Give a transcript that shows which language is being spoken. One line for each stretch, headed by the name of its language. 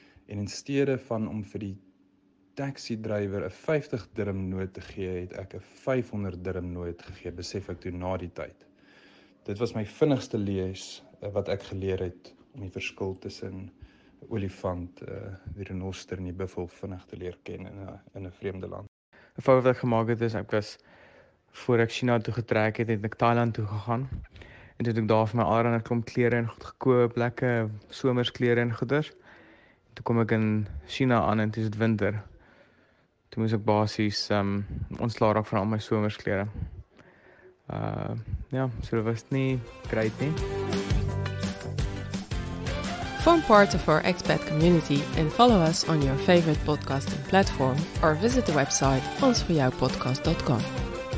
Afrikaans: En in steede van om vir die taxi driver 'n 50 dirham noot te gee, het ek 'n 500 dirham noot gegee, besef ek toe na die tyd. Dit was my vinnigste les wat ek geleer het om die verskil tussen olifant, die renoster en die buffel vinnig te leer ken in 'n vreemde land. 'N fout wat ek gemaak het is, ek was voor ek China toe getrek het, het ek Thailand toe gegaan. En toe het ek daar vir my aard en ek kom klere en goed gekoop, lekker somersklere en goeders. Toe kom ek in China aan en toe is het winter. Toe moes ek basies ontslaa raak van al my somersklere. Ja, so dit was nie great nie.
English: Form part of our expat community and follow us on your favorite podcasting platform or visit the website onsvoorjoupodcast.com.